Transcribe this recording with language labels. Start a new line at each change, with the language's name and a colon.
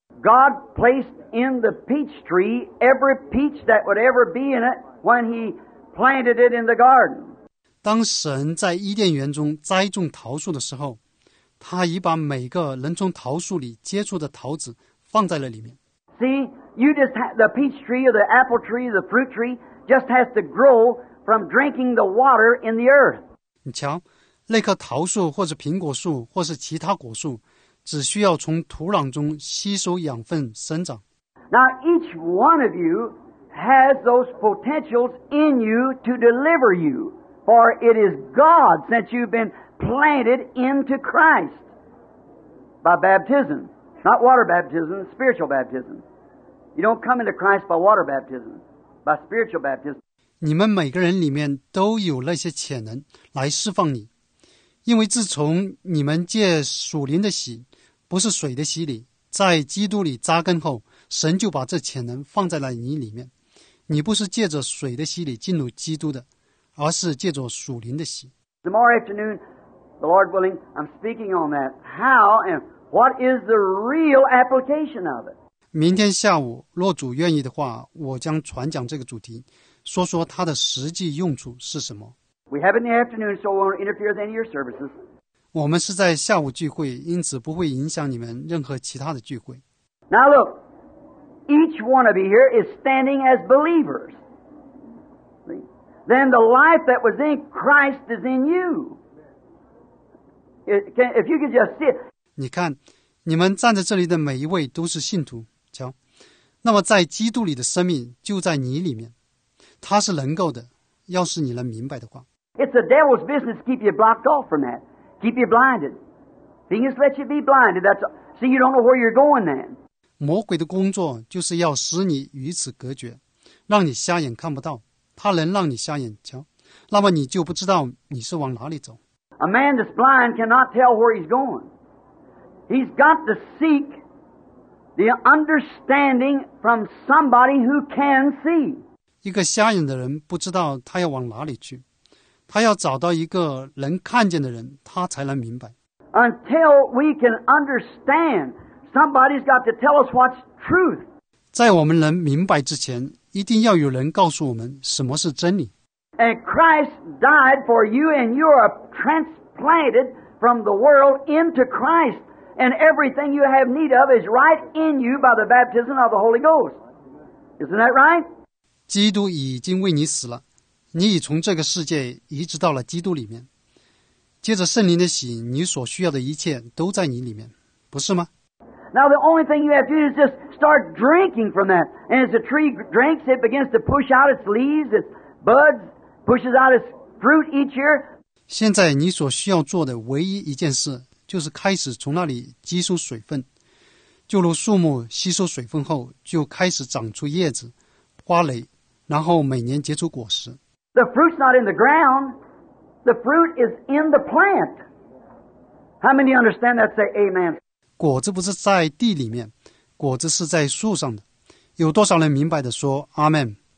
English: God placed in the peach tree every peach that would ever be in it when he planted it in the garden.
Chinese: 当神在伊甸园中栽种桃树的时候，他已把每个能从桃树里结出的桃子放在了里面。
English: See, you just have the peach tree or the apple tree, the fruit tree, just has to grow from drinking the water in the earth.
Chinese: 你瞧，那棵桃树或者苹果树或是其他果树只需要从土壤中吸收养分生长。
English: Now each one of you has those potentials in you to deliver you, for it is God since you've been planted into Christ by baptism, not water baptism, spiritual baptism. You don't come into Christ by water baptism, by spiritual baptism.
Chinese: 你们每个人里面都有那些潜能来释放你，因为自从你们借属灵的洗不是水的洗礼，在基督里扎根后，神就把这潜能放在了你里面。你不是借着水的洗礼进入基督的，而是借着属灵的洗。
English: Tomorrow afternoon, the Lord willing, I'm speaking on that. How and what is the real application of it?
Chinese: 明天下午，若主愿意的话，我将传讲这个主题，说说它的实际用处是什么。
English: We have it in the afternoon, so we won't interfere with any of your services.
Chinese: 我们是在下午聚会，因此不会影响你们任何其他的聚会。
English: Now look, each one of you here is standing as believers. Then the life that was in Christ is in you. If you could just see it.
Chinese: 你看，你们站在这里的每一位都是信徒，瞧，那么在基督里的生命就在你里面，他是能够的，要是你能明白的话。
English: It's the devil's business to keep you blocked off from that. Keep you blinded. He just let you be blinded. See, you don't know where you're going then.
Chinese: 魔鬼的工作就是要使你与此隔绝，让你瞎眼看不到。他能让你瞎眼瞧，那么你就不知道你是往哪里走。
English: A man that's blind cannot tell where he's going. He's got to seek the understanding from somebody who can see.
Chinese: 一个瞎眼的人不知道他要往哪里去。他要找到一个能看见的人，他才能明白。
English: Until we can understand, somebody's got to tell us what's truth.
Chinese: 在我们能明白之前，一定要有人告诉我们什么是真理。
English: And Christ died for you, and you are transplanted from the world into Christ, and everything you have need of is right in you by the baptism of the Holy Ghost. Isn't that right?
Chinese: 基督已经为你死了。你已从这个世界移植到了基督里面，接着圣灵的洗，你所需要的一切都在你里面，不是吗？
English: Now the only thing you have to do is just start drinking from that, and as the tree drinks, it begins to push out its leaves, its buds, pushes out its fruit each year.
Chinese: 现在你所需要做的唯一一件事，就是开始从那里吸收水分。就如树木吸收水分后，就开始长出叶子、花蕾，然后每年结出果实。
English: The fruit's not in the ground. The fruit is in the plant. How many understand that? Say amen.
Chinese: 果子不是在地里面，果子是在树上的。有多少人明白的说阿们？